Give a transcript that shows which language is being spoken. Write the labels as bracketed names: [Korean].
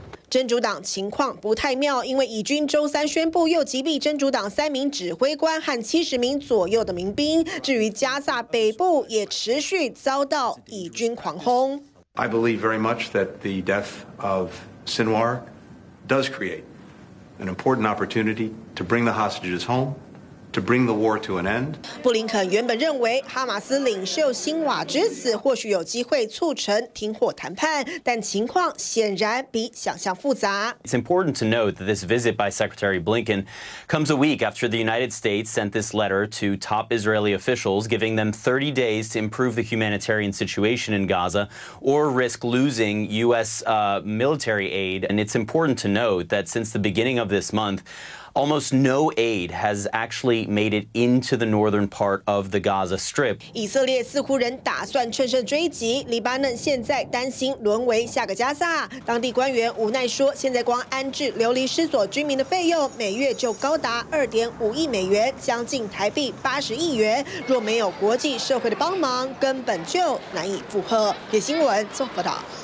[Chinese] 真主党情况不太妙，因为以军周三宣布又击毙真主党3名指挥官和70名左右的民兵。至于加萨北部，也持续遭到以军狂轰。 [English] I believe very much that the death of Sinwar does create an important opportunity to bring the hostages home. To bring the war to an end. [Chinese] 布林肯原本认为哈马斯领袖辛瓦之死或许有机会促成停火谈判，但情况显然比想象复杂。 [English] It's important to note that this visit by Secretary Blinken comes a week after the United States sent this letter to top Israeli officials, giving them 30 days to improve the humanitarian situation in Gaza or risk losing U.S. Military aid. And it's important to note that since the beginning of this month,Almost no aid has actually made it into the northern part of the Gaza Strip. [Chinese] 以色列似乎仍打算趁胜追击，黎巴嫩现在担心沦为下个加萨。当地官员无奈说，现在光安置流离失所居民的费用，每月就高达2.5亿美元，将近台币80亿元。若没有国际社会的帮忙，根本就难以负荷。野新闻综合报道。